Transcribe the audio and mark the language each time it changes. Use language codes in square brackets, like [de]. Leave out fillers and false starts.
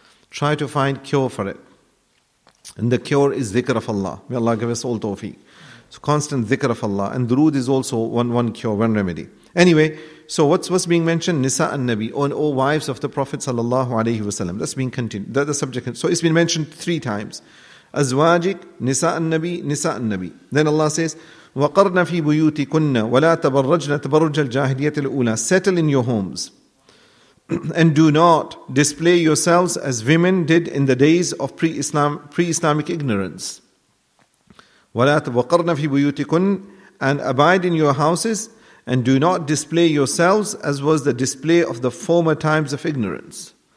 [en] Try to find cure for it, and the cure is dhikr of Allah. May Allah give us all tawfiq. So constant dhikr of Allah, and durood is also one cure, one remedy. Anyway, so what's being mentioned? Nisa al-Nabi, all wives of the Prophet sallallahu alayhi wa sallam. That's being continued. That's the subject. So it's been mentioned three times. Azwajik, Nisa al-Nabi, Nisa al-Nabi. Then Allah says, [ar] وَقَرْنَ فِي بُيُوتِكُنَّ وَلَا تَبَرَّجْنَ تَبَرُّجَ الْجَاهِلِيَةِ الْأُولَى. [en] Settle in your homes. And do not display yourselves as women did in the days of pre-Islamic ignorance. [ar] وَلَا تَبَقَرْنَ فِي بُيُوتِكُنَّ. [en] And abide in your houses. And do not display yourselves as was the display of the former times of ignorance.